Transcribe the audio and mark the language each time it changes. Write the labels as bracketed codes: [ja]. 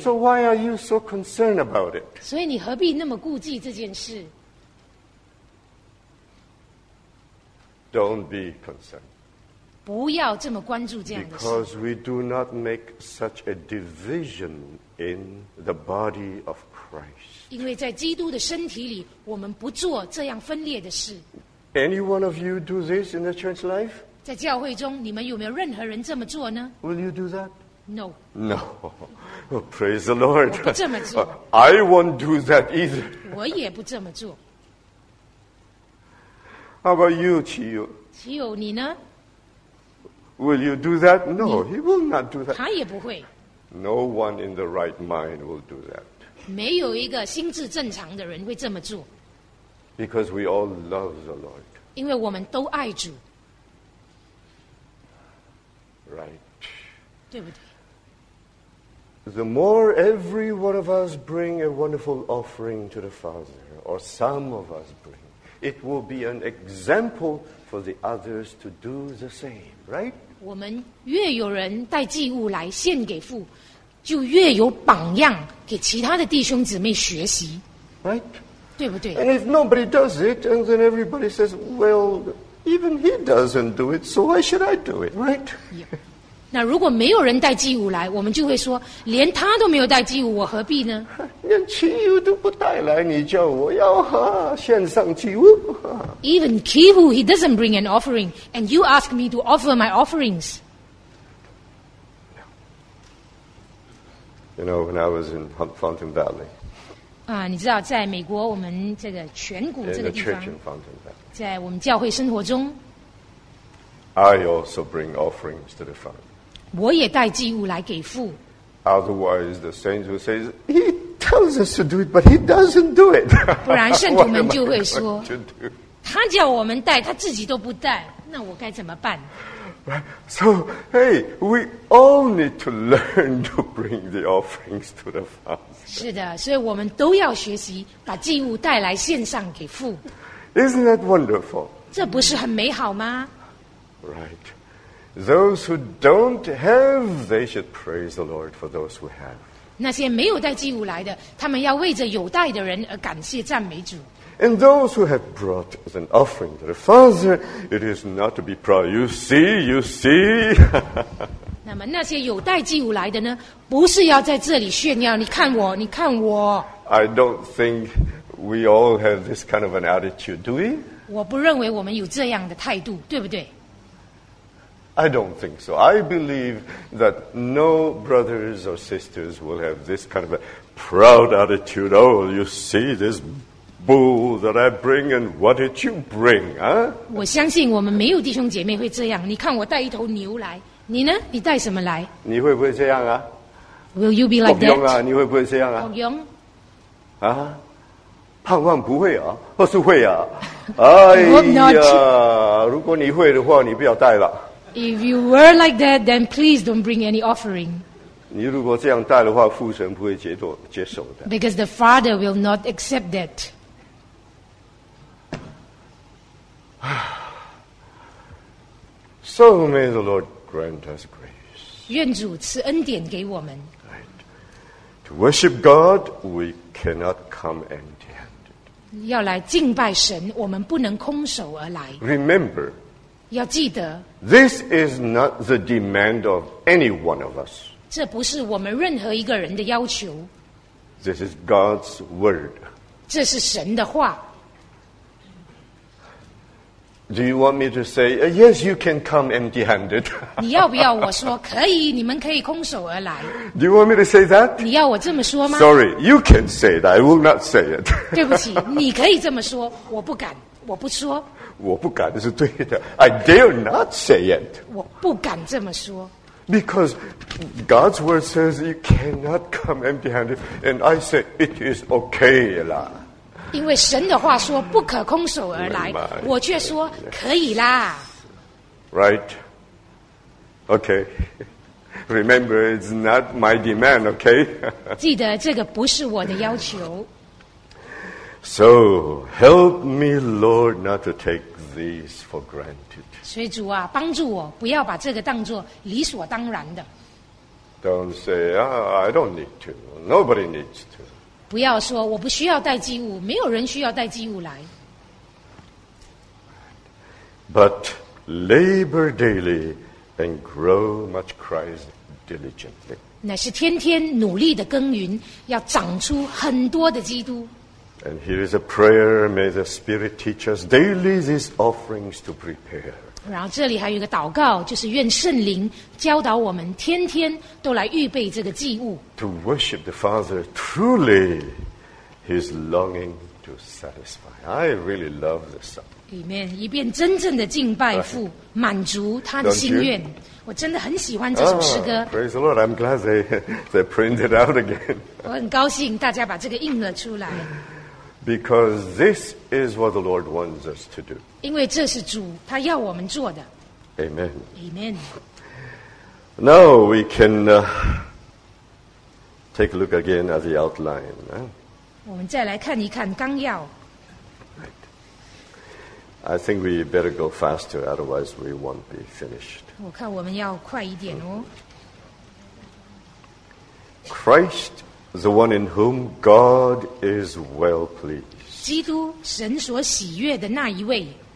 [en] So why are you so concerned about it? [zh] 所以你何必那么顾忌这件事？ [en] Don't be concerned. [zh] 不要这么关注这样的事。 [en] Because we do not make such a division in the body of Christ. [zh] 因为在基督的身体里，我们不做这样分裂的事。 [en] Any one of you do this in the church life? [zh] 在教会中，你们有没有任何人这么做呢？ [en] Will you do that? No. No. Praise the Lord. [zh] 我不这么做。 [en] I won't do that either. [zh] 我也不这么做。 [en] How about you, Qiyu? [zh] Qiyu, 你呢？ [en] Will you do that? No, he will not do that. [zh] 他也不会。 [en] No one in the right mind will do that. [zh] 没有一个心智正常的人会这么做。 [en] Because we all love the Lord. [zh] 因为我们都爱主。 [en] Right. [zh] 对不对？ [en] The more every one of us bring a wonderful offering to the Father, or some of us bring,It will be an example for the others to do the same, right? [zh] 我们越有人带祭物来献给父，就越有榜样给其他的弟兄姊妹学习， [en] right? [zh] 对不对？ [en] And if nobody does it, and then everybody says, "Well, even he doesn't do it, so why should I do it?" Right? Yeah. [zh] 那如果没有人带祭物来，我们就会说，连他都没有带祭物，我何必呢？连祭物都不带来，你叫我要哈献上祭物。 [en] Even Kihu, he doesn't bring an offering, and you ask me to offer my offerings. You know, when I was in Fountain Valley. [zh] 啊，你知道，在美国，我们这个全谷这个地方， [en] in the church in Fountain Valley. [zh] 在我们教会生活中 [en] ，I also bring offerings to the Father. [zh] 我也带祭物来给父。 [en] Otherwise, the saints will say, "He tells us to do it, but he doesn't do it." [zh] 不然圣徒们就会说，他叫我们带，他自己都不带，那我该怎么办 [en] ？Right. So, hey, we all need to learn to bring the offerings to the Father. [zh] 是的，所以我们都要学习把祭物带来献上给父。 [en] Isn't that wonderful? [zh] 这不是很美好吗 [en] ？Right. Those who don't have, they should praise the Lord for those who have. [zh] 那些没有带祭物来的，他们要为着有带的人而感谢赞美主。 [en] And those who have brought as an offering to the Father, it is not to be proud. You see, you see. [zh] 那么那些有带祭物来的呢，不是要在这里炫耀。你看我，你看我。 [en] I don't think we all have this kind of an attitude, do we? [zh] 我不认为我们有这样的态度，对不对？ [en] I don't think so. I believe that no brothers or sisters will have this kind of a proud attitude. Oh, you see this bull that I bring and what did you bring, huh? [zh] 我相信我们没有弟兄姐妹会这样。你看我带一头牛来，你呢？你带什么来？你会不会这样啊？ [en] Will you be like that? [zh] 啊，你会不会这样啊？好用啊，盼望不会啊，或是会啊？哎呀，如果你会的话，你不要带了。 [en] If you were like that, then please don't bring any offering. [zh] 你如果这样带的话，父神不会接受的。 [en] Because the Father will not accept that. 啊 ，So may the Lord grant us grace. [zh] 愿主赐恩典给我们。 [en] To worship God, we cannot come empty-handed. [zh] 要来敬拜神，我们不能空手而来。 [en] Remember, [zh] 要记得 [en] this is not the demand of any one of us. [zh] 这不是我们任何一个人的要求。 [en] This is God's word. [zh] 这是神的话。 [en] Do you want me to say, yes, you can come empty-handed? [zh] 你要不要我说可以，你们可以空手而来。 [en] Do you want me to say that? [zh] 你要我这么说吗？ [en] Sorry, you can say that, I will not say it. [zh] 对不起，你可以这么说，我不敢，我不说。我不敢是对的。 [en] I dare not say it. [zh] 我不敢这么说。 [en] Because God's word says you cannot come empty-handed, and I say it is okay 啦。 [zh] 因为神的话说不可空手而来，我却说可以啦。 [en] Right. Okay. Remember, it's not my demand, okay? [zh] 记得这个不是我的要求。 [en] So, help me, Lord, not to take these for granted. [zh] 所以主啊，帮助我，不要把这个当作理所当然的。 [en] Don't say, I don't need to. Nobody needs to. [zh] 不要说我不需要带祭物，没有人需要带祭物来。 [en] But labor daily and grow much Christ diligently. [zh] 乃是天天努力的耕耘，要长出很多的基督。 [en] And here is a prayer: May the Spirit teach us daily these offerings to prepare. [zh] 然后这里还有一个祷告，就是愿圣灵教导我们天天都来预备这个祭物。 [en] To worship the Father truly, His longing to satisfy. I really love this song. [zh] 里面一遍真正的敬拜父，满足他的心愿。我真的很喜欢这首诗歌。 [en] Oh, praise the Lord! I'm glad they printed out again. [zh] 我很高兴大家把这个印了出来。 [en] Because this is what the Lord wants us to do. [zh] 因为这是主他要我们做的。 [en] Amen. Amen. Now we can take a look again at the outline. [zh] 我们再来看一看纲要。 [en] Right. I think we better go faster, otherwise we won't be finished. [zh] 我看我们要快一点哦。 [en] Christ. The one in whom God is well pleased. [zh] 基督，神所喜悦的那一位。